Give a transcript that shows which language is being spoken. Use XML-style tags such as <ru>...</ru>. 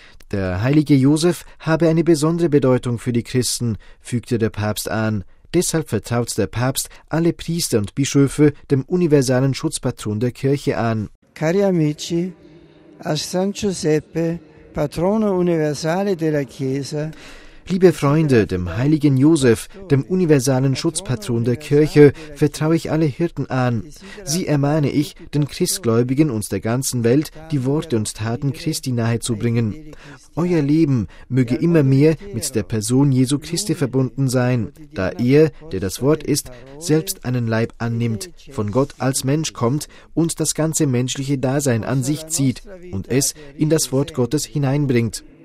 <de>Der heilige Josef habe eine besondere Bedeutung für die Christen, fügte der Papst an. Deshalb vertraut der Papst alle Priester und Bischöfe dem universalen Schutzpatron der Kirche an.</de> <it>Cari amici, a San Giuseppe, patrono universale della Chiesa.</it> <de>Liebe Freunde, dem heiligen Josef, dem universalen Schutzpatron der Kirche, vertraue ich alle Hirten an. Sie ermahne ich, den Christgläubigen und der ganzen Welt die Worte und Taten Christi nahezubringen. Euer Leben möge immer mehr mit der Person Jesu Christi verbunden sein, da er, der das Wort ist, selbst einen Leib annimmt, von Gott als Mensch kommt und das ganze menschliche Dasein an sich zieht und es in das Wort Gottes hineinbringt.</de>